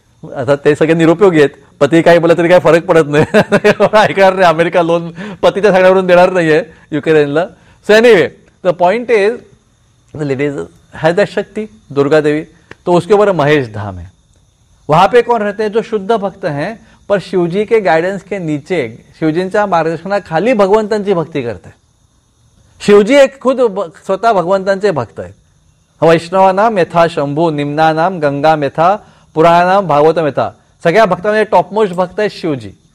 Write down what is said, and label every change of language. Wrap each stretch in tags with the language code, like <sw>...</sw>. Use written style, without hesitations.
<mr>आता ते सगळे निरुपयोगी आहेत, पती काही बोला तरी काय फरक पडत नाही, ऐकणार नाही, अमेरिका लोन पतीच्या सगळ्यावरून देणार नाही आहे युक्रेनला।</mr> <en>so anyway the point is the ladies has that Shakti Durga Devi,</en> <hi>तो उसके ऊपर महेश धाम है, वहां पे कौन रहते हैं जो शुद्ध भक्त हैं, पर शिवजी के गायडन्स के नीचे</hi> <mr>शिवजींच्या मार्गदर्शनाखाली भगवंतांची भक्ती करते। शिवजी एक खुद स्वतः भगवंतांचे भक्त आहेत,</mr> <sa>वैष्णवानाम यथा शंभू निम्नानाम गंगा मेथा पुराणानाम भागवतम यथा,</sa> <mr>सगळ्या भक्तांमध्ये टॉपमोस्ट भक्त आहे शिवजी।</mr>